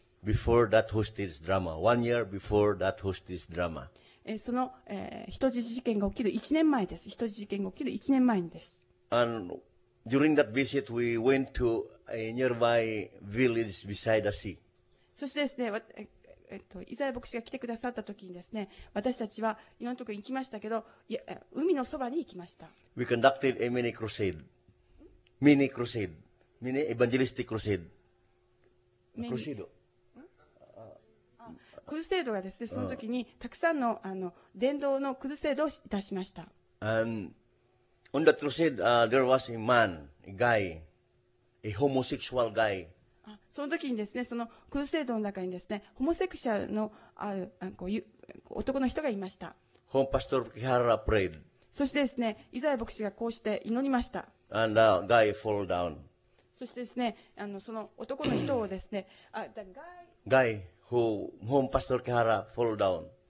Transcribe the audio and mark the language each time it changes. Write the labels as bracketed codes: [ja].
[en] Before that hostage drama, one year before that hostage drama. [ja] その、人質事件が起きる1年前です。人質事件が起きる1年前です。 [en] And during that visit, we went to a nearby village beside the sea. [ja] そしてですね、イザヤ牧師が来てくださった時にですね、私たちはいろんなところに行きましたけど、海のそばに行きました。 [en] We conducted a mini crusade. Mini crusade. Mini evangelistic crusade. Crusade. [ja] クルセイドがですね、その時にたくさんの、あの伝道のクルセイドをいたしました。 [en] And on that crusade, there was a man, a guy, a homosexual guy. [ja] その時にですね、そのクルセイドの中にですね、ホモセクシャルのこう男の人がいました。 [en] Home Pastor Kihara prayed. [ja] そしてですね、イザヤ牧師がこうして祈りました。 [en] And the guy fell down. [ja] そしてですね、あのその男の人をですね、あ、the [en] guy whom Pastor Kihara fall down.